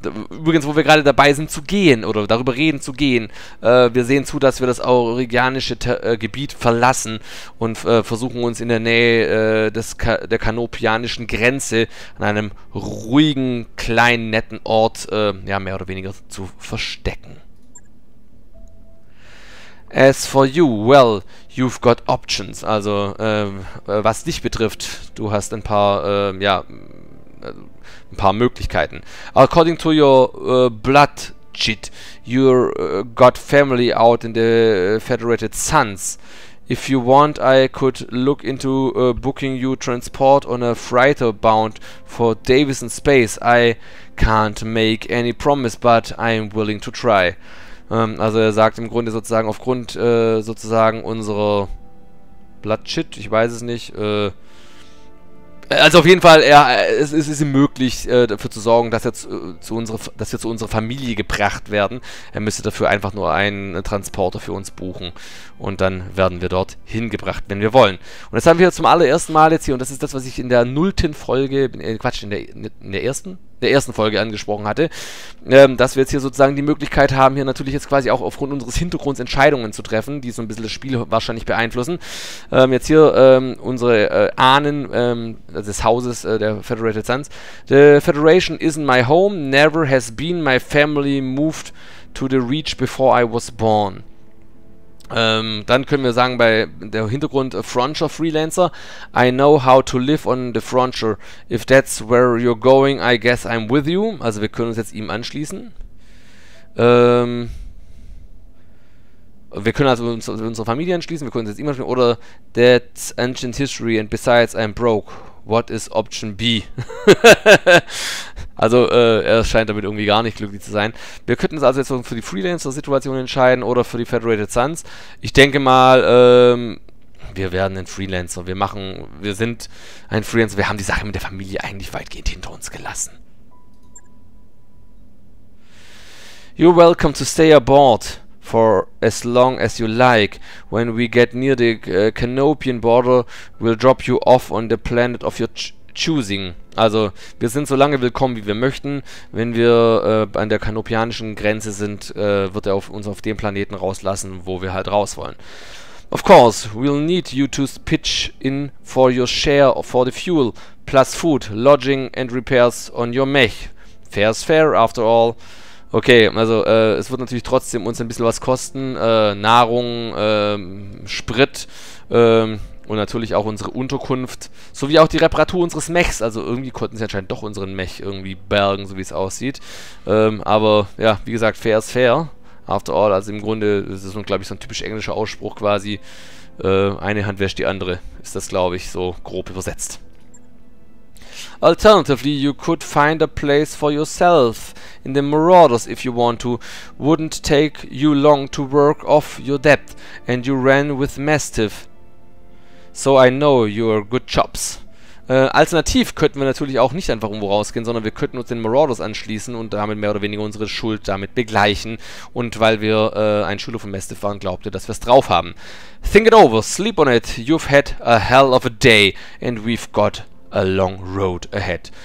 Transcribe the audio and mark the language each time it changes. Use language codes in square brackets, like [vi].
[de] Übrigens, wo wir gerade dabei sind zu gehen oder darüber reden zu gehen, wir sehen zu, dass wir das aurigianische Gebiet verlassen und versuchen uns in der Nähe der kanopianischen Grenze an einem ruhigen, kleinen, netten Ort ja, mehr oder weniger zu verstecken. [en] As for you, well, you've got options. [de] Also, was dich betrifft, du hast ein paar, ein paar Möglichkeiten. [en] According to your blood cheat, you're got family out in the Federated Suns. If you want, I could look into booking you transport on a freighter bound for Davison Space. I can't make any promise, but I'm willing to try. [de] Also er sagt im Grunde sozusagen, aufgrund sozusagen unserer blood cheat, ich weiß es nicht, also auf jeden Fall, ja, es ist ihm möglich, dafür zu sorgen, dass wir zu unserer Familie gebracht werden. Er müsste dafür einfach nur einen Transporter für uns buchen. Und dann werden wir dort hingebracht, wenn wir wollen. Und das haben wir zum allerersten Mal jetzt hier. Und das ist das, was ich in der nullten Folge, in der ersten Folge angesprochen hatte. Dass wir jetzt hier sozusagen die Möglichkeit haben, hier natürlich jetzt quasi auch aufgrund unseres Hintergrunds Entscheidungen zu treffen, die so ein bisschen das Spiel wahrscheinlich beeinflussen. Jetzt hier unsere Ahnen des Hauses der Federated Suns. [en] The Federation isn't my home, never has been. My family moved to the Reach before I was born. [de] Dann können wir sagen, bei der Hintergrund Frontier Freelancer, [en] I know how to live on the Frontier. If that's where you're going, I guess I'm with you. [de] Also wir können uns jetzt ihm anschließen. Wir können also unsere Familie anschließen, wir können uns jetzt ihm anschließen. Oder [en] that's ancient history and besides I'm broke. What is option B? [de] Also, er scheint damit irgendwie gar nicht glücklich zu sein. Wir könnten uns also jetzt für die Freelancer-Situation entscheiden oder für die Federated Suns. Ich denke mal, wir werden ein Freelancer. Wir sind ein Freelancer. Wir haben die Sache mit der Familie eigentlich weitgehend hinter uns gelassen. [en] You're welcome to stay aboard for as long as you like. When we get near the Canopian border, we'll drop you off on the planet of your choosing. [de] Also, wir sind so lange willkommen, wie wir möchten. Wenn wir an der kanopianischen Grenze sind, wird er uns auf dem Planeten rauslassen, wo wir halt raus wollen. [en] Of course, we'll need you to pitch in for your share for the fuel, plus food, lodging and repairs on your mech. Fair is fair, after all. [de] Okay, also es wird natürlich trotzdem uns ein bisschen was kosten. Nahrung, Sprit, und natürlich auch unsere Unterkunft, sowie auch die Reparatur unseres Mechs. Also irgendwie konnten sie anscheinend doch unseren Mech irgendwie bergen, so wie es aussieht. Aber ja, wie gesagt, [en] fair is fair. After all, [de] also im Grunde, das ist, glaube ich, so ein typisch englischer Ausspruch quasi. Eine Hand wäscht die andere, ist das, glaube ich, so grob übersetzt. [en] Alternatively, you could find a place for yourself in the Marauders if you want to. Wouldn't take you long to work off your debt. And you ran with Mastiff. So I know you are good chops. [de] Alternativ könnten wir natürlich auch nicht einfach irgendwo rausgehen, sondern wir könnten uns den Marauders anschließen und damit mehr oder weniger unsere Schuld damit begleichen. Und weil wir ein Schüler von Mastiff waren, glaubte, dass wir es drauf haben. [en] Think it over, sleep on it. You've had a hell of a day and we've got a long road ahead.